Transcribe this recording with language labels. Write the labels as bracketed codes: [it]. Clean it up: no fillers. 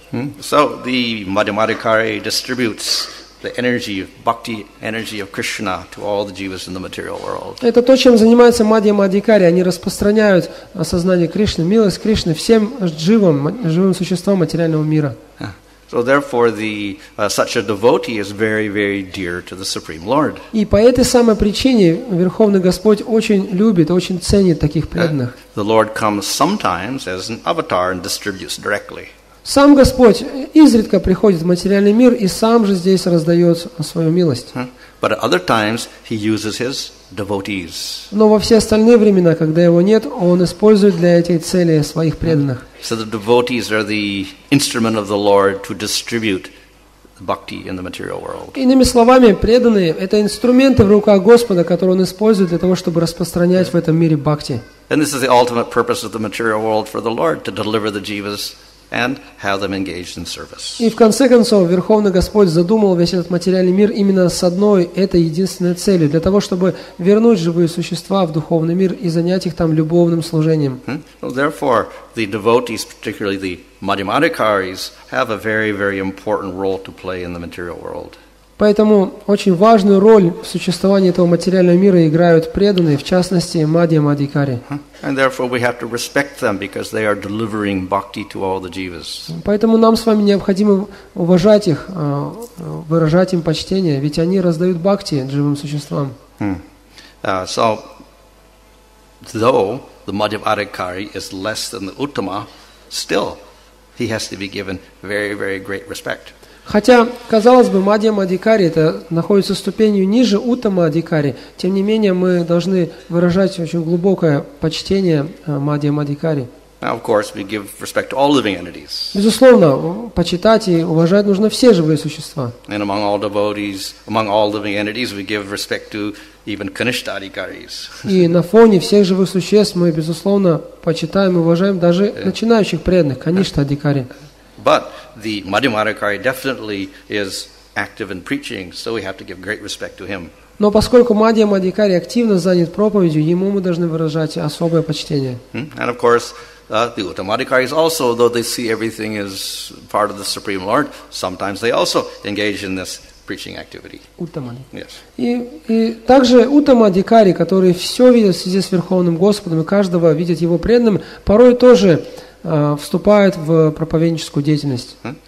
[en] So the Madhyamadhikari distributes the energy of bhakti, energy of Krishna to all the jivas in the material world. [ru] Это то, чем занимаются Мадхьямадхикари. Они распространяют сознание Кришны, милость Кришны всем дживам, живым существам материального мира. [en] So therefore, such a devotee is very, very dear to the Supreme Lord. [ru] И по этой самой причине Верховный Господь очень любит, очень ценит таких преданных. [en] The Lord comes sometimes as an avatar and distributes directly. [ru] Сам Господь изредка приходит в материальный мир и сам же здесь раздает свою милость. [en] But at other times he uses his devotees. [ru] Но во все остальные времена, когда его нет, он использует для этой цели своих преданных. [en] So the devotees are the instrument of the Lord to distribute bhakti in the material world. [ru] Иными словами, преданные – это инструменты в руках Господа, которые он использует для того, чтобы распространять в этом мире бхакти. [en] And this is the ultimate purpose of the material world for the Lord – to deliver the jivas and have them engaged in service. [ru] И в конце концов, Верховный Господь задумал весь этот материальный мир именно с одной, этой единственной целью, для того, чтобы вернуть живые существа в духовный мир и занять их там любовным служением. [en] Well, therefore, the devotees, particularly the Madhyamadhikaris, have a very, very important role to play in the material world. [ru] Поэтому очень важную роль в существовании этого материального мира играют преданные, в частности, Мадхьямадхикари. [en] And therefore we have to respect them because they are delivering bhakti to all the jivas. [ru] Поэтому нам с вами необходимо уважать их, выражать им почтение, ведь они раздают бхакти живым существам. [en] So though the Madhyamadhikari is less than the Uttama, still he has to be given very, very great respect. [ru] Хотя, казалось бы, Мадхьямадхикари это находится ступенью ниже Уттамадхикари, тем не менее мы должны выражать очень глубокое почтение Мадхьямадхикари. [en] Of course, we give respect to all living entities. [ru] Безусловно, почитать и уважать нужно все живые существа. [en] And among all devotees, among all living entities, we give respect to even Kanishtha Adhikaris. [ru] И на фоне всех живых существ мы безусловно почитаем и уважаем даже начинающих преданных, Kanishtha Adhikari. [en] But the Madhyamadhikari definitely is active in preaching, so we have to give great respect to him. [ru] Но поскольку Мадхьямадхикари активно занят проповедью, ему мы должны выражать особое почтение. [en] And of course, the Uttamadhikaris also, though they see everything as part of the Supreme Lord, sometimes they also engage in this preaching activity. [ru] И также Уттамадхикари, которые все видят в связи с Верховным Господом и каждого видят его преданным, порой тоже вступают в проповедническую деятельность.